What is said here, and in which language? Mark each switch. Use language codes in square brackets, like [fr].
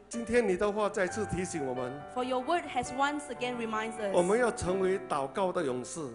[zh] 今天你的话再次提醒我们。 [en] For your word has once again reminds us. [zh] 我们要成为祷告的勇士。